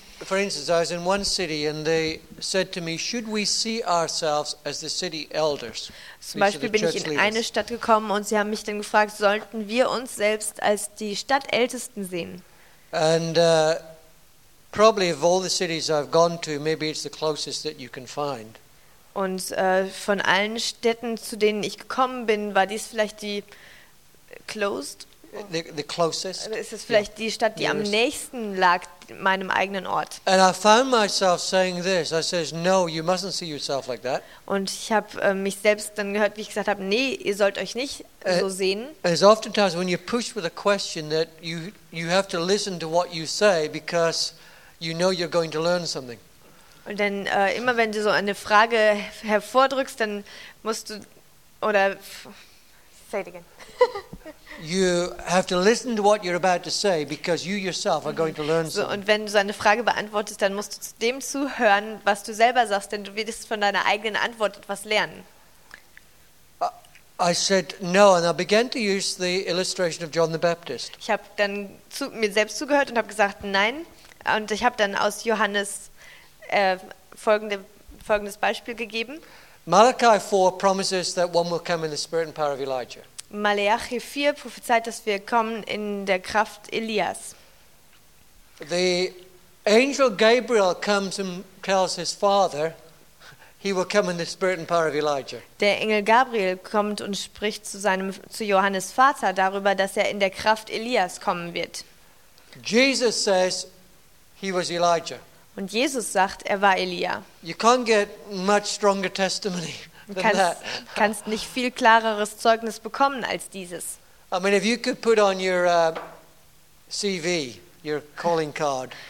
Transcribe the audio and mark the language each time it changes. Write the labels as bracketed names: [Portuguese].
[English] I was in one city and they said to me, should we see ourselves as the city elders? [German] Zum Beispiel bin ich in eine Stadt gekommen und sie haben mich dann gefragt, sollten wir uns selbst als die Stadtältesten sehen? [English] And probably of all the cities I've gone to, maybe it's the closest that you can find. [German] Und von allen Städten, zu denen ich gekommen bin, war dies vielleicht die closest? [English] The closest. [German] Ist es vielleicht die Stadt, die am nächsten lag meinem eigenen Ort? [English] And I found myself saying this. I says, no, you mustn't see yourself like that. [German] Und ich habe mich selbst dann gehört, wie ich gesagt habe, nee, ihr sollt euch nicht so sehen. [English] It's oftentimes when you're pushed with a question that you have to listen to what you say because you know you're going to learn something. [German] Und dann immer wenn du so eine Frage hervordrückst, dann musst du oder [English] say it again. You have to listen to what you're about to say because you yourself are going to learn something. [German] So, und wenn du so eine Frage beantwortest, dann musst du zu dem zuhören, was du selber sagst, denn du wirst von deiner eigenen Antwort etwas lernen. [English] I said no, and I began to use the illustration of John the Baptist. [German] Ich habe dann zu mir selbst zugehört und habe gesagt nein. Und ich habe dann aus Johannes folgendes Beispiel gegeben. [English] Malachi 4 promises that one will come in the spirit and power of Elijah. [German] Malachi 4 prophezeit, dass wir kommen in der Kraft Elias. [English] The angel Gabriel comes and tells his father he will come in the spirit and power of Elijah. [German] Der Engel Gabriel kommt und spricht zu Johannes Vater darüber, dass er in der Kraft Elias kommen wird. [English] Jesus says he was Elijah. [German] Und Jesus sagt, er war Elia. [English] You can't get much stronger testimony than that. [German] Kannst nicht viel klareres Zeugnis bekommen als dieses. [English] I mean, if you could put on your CV, your calling card.